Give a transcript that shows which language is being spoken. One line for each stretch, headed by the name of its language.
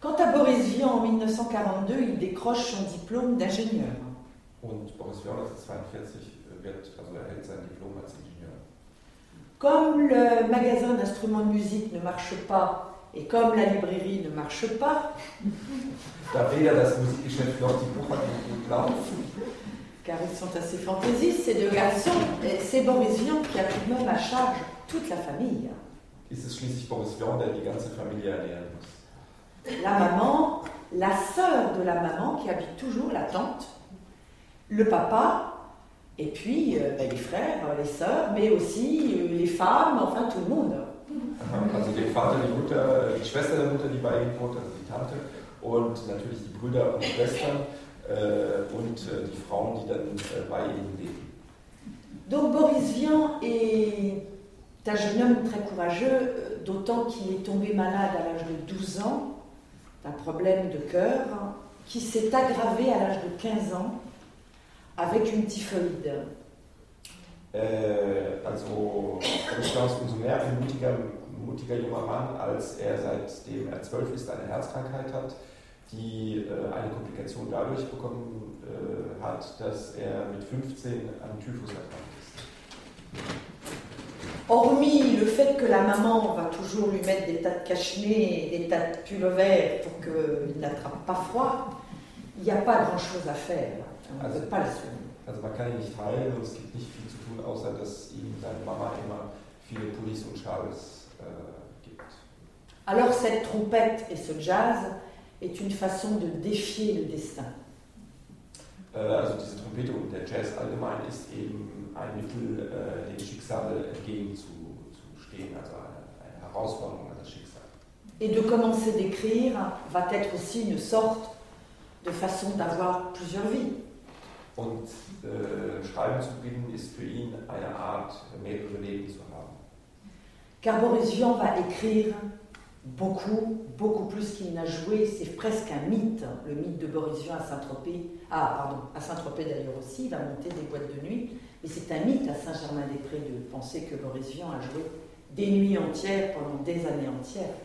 French: Quant à Boris Vian, en 1942, il décroche son diplôme d'ingénieur.
German: Und Boris Vian, 1942, wird, also erhält sein Diplom als Ingenieur.
French: Comme le magasin d'instruments de musique ne marche pas et comme la librairie ne marche pas,
German: da weder das Musikgeschäft noch die Buchhandlung gut laufen,
French: car ils sont assez fantaisistes, ces deux garçons, c'est Boris Vian qui a tout de même à charge toute la famille.
German: Ist es schließlich Boris Vian, der die ganze Familie ernähren muss?
French: La maman, la sœur de la maman qui habite toujours, la tante, le papa, et puis les frères, les sœurs, mais aussi les femmes, enfin tout le monde.
German: Also der Vater, die Mutter, die Schwester der Mutter, die bei ihm wohnt, also die Tante, und natürlich die Brüder und Schwestern, und die Frauen, die dann bei ihnen leben.
French: Donc Boris Vian est un jeune homme très courageux, d'autant qu'il est tombé malade à l'âge de 12 ans, d'un problème de cœur, qui s'est aggravé à l'âge de 15 ans, avec une typhoïde.
German: Also, Boris Vian ist umso mehr ein mutiger junger Mann, als er seitdem er 12 ist, eine Herzkrankheit hat, die eine Komplikation dadurch bekommen hat, dass er mit 15 an Typhus erkrankt ist.
French: Hormis le fait que la maman va toujours lui mettre des tas de cache-nez et des tas de pullovers pour qu'il n'attrape pas froid, il n'y a pas grand-chose à faire.
German: Also man kann ihn nicht heilen und es gibt nicht viel zu tun, außer dass ihm seine Mama immer viele Pullis und Schals gibt.
French: Alors cette trompette et ce jazz est une façon de défier le destin.
German: Also diese Trompete und der Jazz allgemein ist eben ein Mittel, dem Schicksal entgegenzustehen, also eine Herausforderung an das Schicksal.
French: Et de commencer d'écrire va être aussi une sorte de façon d'avoir plusieurs vies.
German: Und Schreiben zu beginnen ist für ihn eine Art, mehrere Leben zu haben.
French: Car Boris Vian va écrire beaucoup, beaucoup plus qu'il n'a joué. C'est presque un mythe, le mythe de Boris Vian à Saint-Tropez. Ah, pardon, à Saint-Tropez d'ailleurs aussi, il va monter des boîtes de nuit. Mais c'est un mythe à Saint-Germain-des-Prés de penser que Boris Vian a joué des nuits entières pendant des années entières.